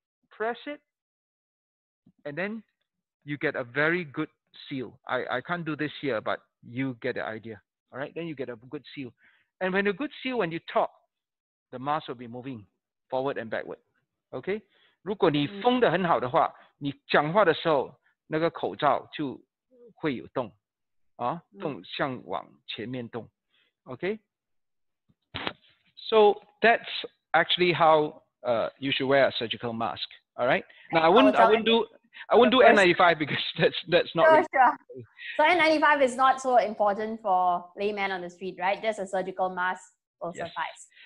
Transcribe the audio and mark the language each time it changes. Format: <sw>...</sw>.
<en>Press it, and then you get a very good seal. I can't do this here, but you get the idea, all right? Then you get a good seal. And when a good seal, when you talk, the mask will be moving forward and backward, okay?</en> <zh>如果你封得很好的话, 你讲话的时候,那个口罩就会有动, 啊, 动向往前面动, okay?</zh> <en>So that's actually how you should wear a surgical mask. All right. Now I wouldn't do N95 because that's not. Sure. So N95 is not so important for laymen on the street, right? Just a surgical mask will suffice.</en>